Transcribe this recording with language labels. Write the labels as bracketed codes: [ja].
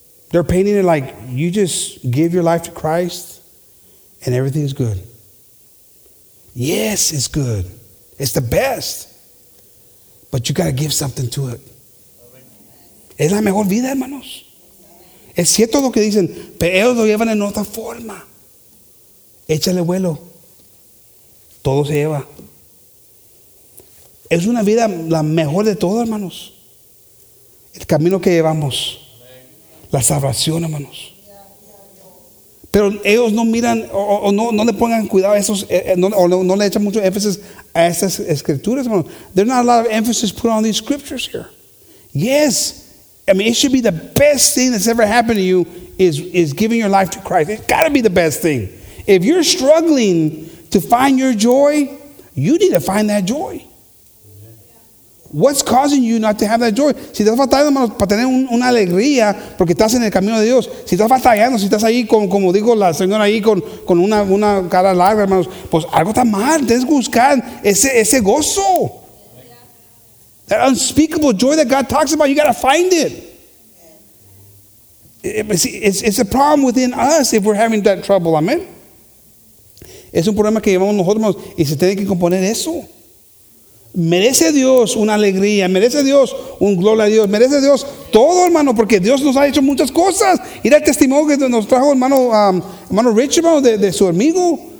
[en] They're painting it like you just give your life to Christ and everything is good. Yes, it's good. It's the best. But you got to give something to it. [es] Es la mejor vida, hermanos. Es cierto lo que dicen, pero ellos lo llevan en otra forma. Échale vuelo. Todo se lleva. Es una vida la mejor de todo, hermanos. El camino que llevamos. La salvación, hermanos. Pero ellos no miran, o no le pongan cuidado a esos, no le echan mucho énfasis a esas escrituras, hermanos. [en] There's not a lot of emphasis put on these scriptures here. Yes, I mean, it should be the best thing that's ever happened to you is giving your life to Christ. It's got to be the best thing. If you're struggling to find your joy, you need to find that joy. What's causing you not to have that joy? [es] Si estás batallando, hermanos, para tener una alegría porque estás en el camino de Dios. Si estás batallando, si estás ahí, como dijo la señora ahí, con una cara larga, hermanos, pues algo está mal. Tienes que buscar ese gozo. Yeah. [en] That unspeakable joy that God talks about, you got to find it. It's a problem within us if we're having that trouble, amen. [es] Es un problema que llevamos nosotros, hermanos, y se tiene que componer eso. Merece Dios una alegría, merece Dios un gloria a Dios, merece Dios todo, hermano, porque Dios nos ha hecho muchas cosas. Era el testimonio que nos trajo hermano Rich, hermano, de su amigo.